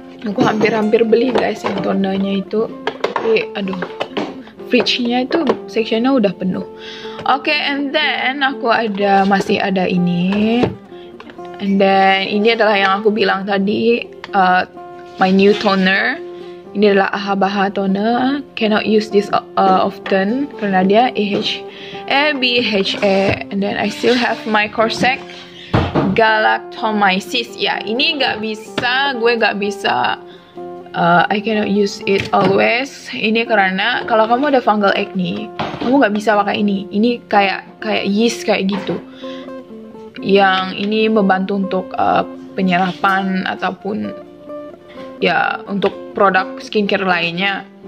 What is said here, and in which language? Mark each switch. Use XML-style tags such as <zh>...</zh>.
<ms>Aku hampir beli guys yang tonernya itu. Tapi aduh, fridge-nya itu section-nya udah penuh.</ms> <en>Okay, and then</en> <ms>aku masih ada ini.</ms> <en>And then</en> <ms>ini adalah yang aku bilang tadi,</ms> <en>my new toner.</en> <ms>Ini adalah Ahabaha toner.</ms> <en>Cannot use this often</en> <ms>karena dia</ms> <en>AHA, BHA. And then I still have my Corsac Galactomyces.</en> <ms>Ya, ini gak bisa, gue gak bisa.</ms> <en>I cannot use it always.</en> <ms>Ini karena kalau kamu ada fungal acne, kamu gak bisa pakai ini. Ini kayak yeast kayak gitu. Yang ini membantu untuk penyerapan ataupun ya untuk produk skincare lainnya.</ms>